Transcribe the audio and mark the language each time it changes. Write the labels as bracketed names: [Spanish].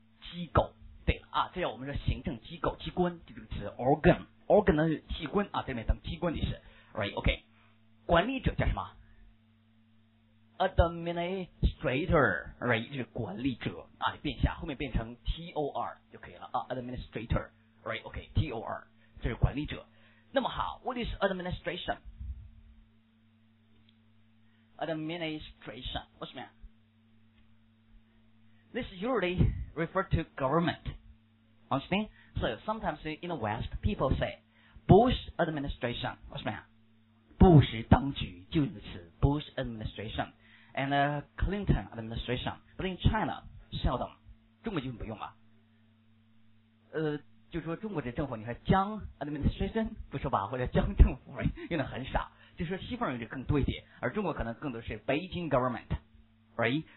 [Chinese] 机构。对了啊，这叫我们说行政机构、机关，就这个词 organ 呢器官啊，这边等机关的意思 ，right OK。管理者叫什么？ administrator, right, 就是管理者啊，你变下后面变成 TOR 就可以了啊， administrator, right, okay, TOR, 这是管理者。 [English] 那么好， what is administration? Administration, what's that? This usually refer to government, understand? So sometimes in the West, people say, Bush administration, what's that? [Chinese] 布什当局就是词 [English] Bush administration and Clinton administration, but in China seldom, [Chinese] 中国就不用了，就说中国的政府，你看江 administration 不说吧，或者江政府用的很少，就说西方人就更多一点，而中国可能更多是 Beijing government, right?